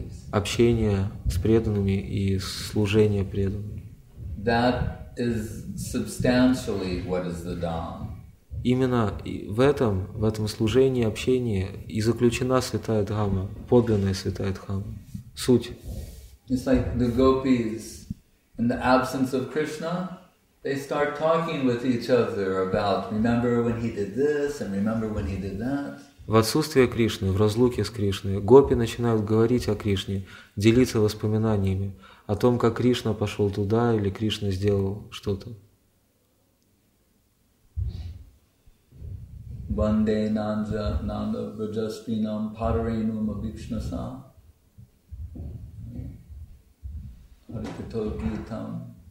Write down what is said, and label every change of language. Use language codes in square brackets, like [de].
[ru] общение с преданными и служение преданным. [en] That is substantially what is the Dham. [ru] Именно в этом служении, общении и заключена святая Дхамма, подлинная святая Дхамма, суть. [en] It's like the gopis, in the absence of Krishna, they start talking with each other about, remember when he did this and remember when he did that. [ru] В отсутствие Кришны, в разлуке с Кришной, гопи начинают говорить о Кришне, делиться воспоминаниями о том, как Кришна пошел туда или Кришна сделал что-то. [sa] Банде нанджа нанда браджаспинам патарейнум абикшнасам харикато гитам.